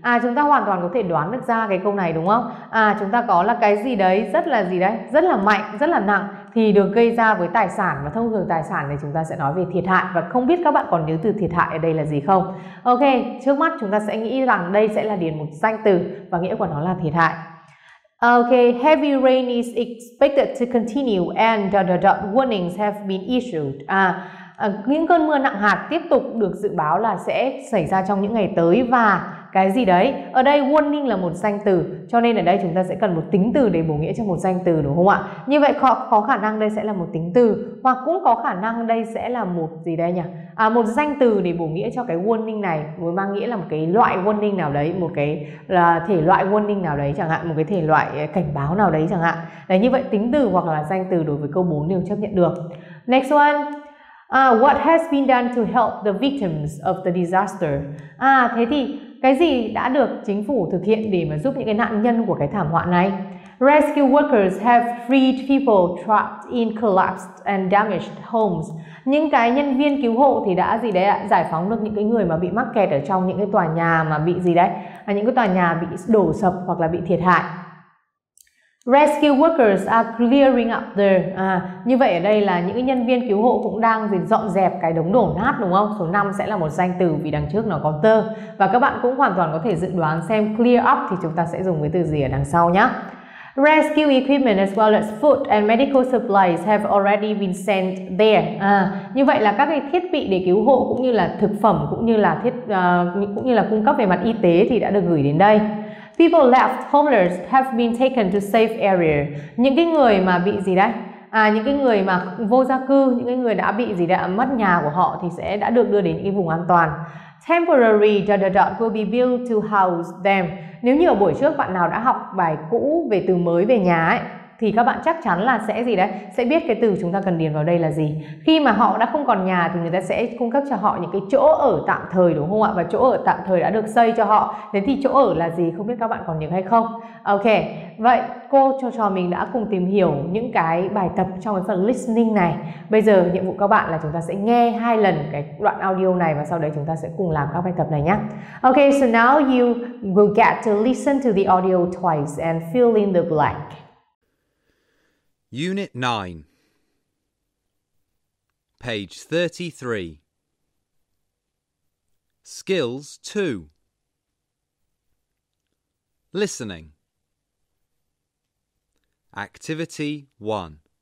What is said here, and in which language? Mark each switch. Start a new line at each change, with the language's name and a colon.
Vietnamese: Chúng ta hoàn toàn có thể đoán được ra cái câu này, đúng không? Chúng ta có là cái gì đấy, rất là gì đấy, rất là mạnh, rất là nặng thì được gây ra với tài sản, và thông thường tài sản thì chúng ta sẽ nói về thiệt hại, và không biết các bạn còn nhớ từ thiệt hại ở đây là gì không? Ok, trước mắt chúng ta sẽ nghĩ rằng đây sẽ là điền một danh từ và nghĩa của nó là thiệt hại.
English: Ok, heavy rain is expected to continue and dot dot dot warnings have been issued.
Vietnamese: Những cơn mưa nặng hạt tiếp tục được dự báo là sẽ xảy ra trong những ngày tới. Và cái gì đấy? Ở đây warning là một danh từ, cho nên ở đây chúng ta sẽ cần một tính từ để bổ nghĩa cho một danh từ, đúng không ạ? Như vậy có khả năng đây sẽ là một tính từ, hoặc cũng có khả năng đây sẽ là một gì đây nhỉ? Một danh từ để bổ nghĩa cho cái warning này, với mang nghĩa là một cái loại warning nào đấy, một cái là thể loại warning nào đấy chẳng hạn, một cái thể loại cảnh báo nào đấy chẳng hạn. Đấy, như vậy tính từ hoặc là danh từ đối với câu 4 đều chấp nhận được.
English: Next one. What has been done to help the victims of the disaster?
Vietnamese: Thế thì cái gì đã được chính phủ thực hiện để mà giúp những cái nạn nhân của cái thảm họa này?
English: Rescue workers have freed people trapped in collapsed and damaged homes.
Vietnamese: Những cái nhân viên cứu hộ thì đã gì đấy ạ? Giải phóng được những cái người mà bị mắc kẹt ở trong những cái tòa nhà mà bị gì đấy? Những cái tòa nhà bị đổ sập hoặc là bị thiệt hại.
English: Rescue workers are clearing up the.
Vietnamese: À, như vậy ở đây là những nhân viên cứu hộ cũng đang dọn dẹp cái đống đổ nát đúng không? Số 5 sẽ là một danh từ vì đằng trước nó có the. Và các bạn cũng hoàn toàn có thể dự đoán xem clear up thì chúng ta sẽ dùng cái từ gì ở đằng sau nhé.
English: Rescue equipment as well as food and medical supplies have already been sent there.
Vietnamese: À, như vậy là các cái thiết bị để cứu hộ cũng như là thực phẩm cũng như là cung cấp về mặt y tế thì đã được gửi đến đây.
English: People left homeless have been taken to safe area.
Vietnamese: Những cái người mà bị gì đấy? À, những cái người mà vô gia cư, những cái người đã bị gì đấy, mất nhà của họ thì sẽ đã được đưa đến những cái vùng an toàn.
English: Temporary dot dot dot will be built to house them.
Vietnamese: Nếu như ở buổi trước bạn nào đã học bài cũ về từ mới về nhà ấy, thì các bạn chắc chắn là sẽ gì đấy? Sẽ biết cái từ chúng ta cần điền vào đây là gì. Khi mà họ đã không còn nhà thì người ta sẽ cung cấp cho họ những cái chỗ ở tạm thời đúng không ạ? Và chỗ ở tạm thời đã được xây cho họ. Thế thì chỗ ở là gì? Không biết các bạn còn nhớ hay không? Ok, vậy cô cho trò mình đã cùng tìm hiểu những cái bài tập trong cái phần listening này. Bây giờ nhiệm vụ các bạn là chúng ta sẽ nghe hai lần cái đoạn audio này và sau đấy chúng ta sẽ cùng làm các bài tập này nhé.
English: Ok, so now you will get to listen to the audio twice and fill in the blank. Unit 9, page 33, Skills 2, Listening, Activity 1.